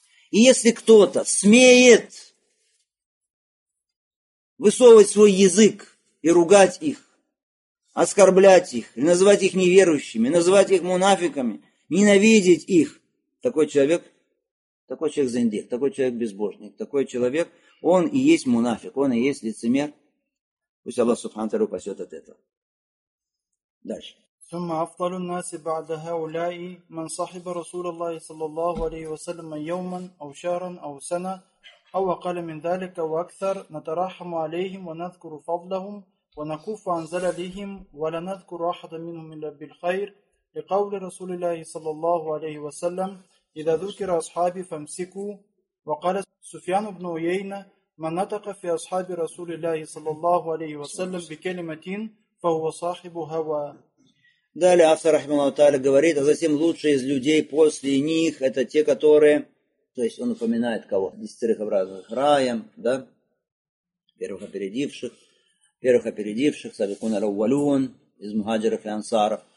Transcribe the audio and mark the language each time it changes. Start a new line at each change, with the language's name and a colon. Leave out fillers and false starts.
Russian: И если кто-то смеет высовывать свой язык и ругать их, оскорблять их, называть их неверующими, называть их мунафиками, ненавидеть их. Такой человек зиндик, такой человек безбожник, такой человек, он и есть мунафик, он и есть лицемер. Пусть Аллах субхана ва тааля упасет от этого. Дальше.
Arabic: Сумма афталю наси ба'да хауляи ман сахиба Расулаллахи саллаллаху алейхи ва саллям йоуман ау шахран ау сана ау акаля мин далика ва акثر натарахму алейхим ва надкуру фадлахум ونكف عن زللهم ولا نذكر أحدا منهم إلا بالخير لقول رسول الله صلى الله عليه وسلم إذا ذكر أصحابي فامسكوا وقال سفيان بن عيينة من نطق في أصحاب رسول الله صلى الله عليه وسلم بكلمة فهو صاحب هوى.
Russian: Далее автор
Arabic: رحمه الله تعالى
Russian: говорит, а затем лучшие из людей после них это те, которые, то есть он упоминает кого? Десятерых образованных раем, да, первых опередивших. Первых опередивших,
Arabic: сабикун аль-аввалун,
Russian: из мухаджиров и ансаров.